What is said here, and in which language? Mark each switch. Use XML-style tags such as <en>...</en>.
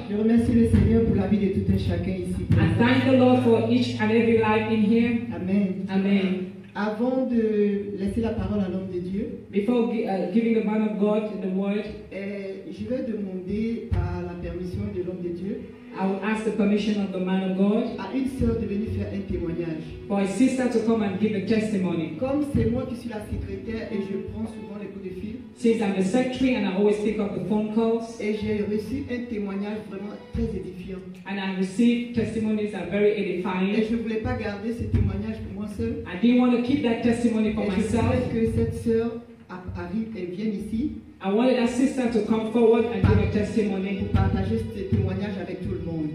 <fr>Je remercie le Seigneur pour la vie de tout un chacun ici.</fr> <en>I thank the Lord for each and every life in here. Amen. Amen.</en> <fr>Avant de laisser la parole à l'homme de Dieu,</fr> <en>Before giving the man of God the word,</en> <fr>je vais demander à la permission de l'homme de Dieu.</fr> <en>I will ask the permission of the man of God.</en> <fr>À une sœur de venir faire un témoignage.</fr> <en>For a sister to come and give a testimony.</en> <fr>Comme c'est moi qui suis la secrétaire et je prends souvent les coups de fil.</fr> <en>Since I'm the secretary and I always pick up the phone calls.</en> <fr>Et j'ai reçu un témoignage vraiment très édifiant.</fr> <en>And I received testimonies that are very edifying.</en> <fr>Et je voulais pas garder ce témoignage pour moi seule.</fr> <en>I didn't want to keep that testimony for myself.</en> <fr>Et je voulais que cette sœur arrive et vienne ici.</fr> <en>I wanted that sister to come forward and give a testimony.</en> <fr>Pour partager ce témoignage avec tout le monde.</fr>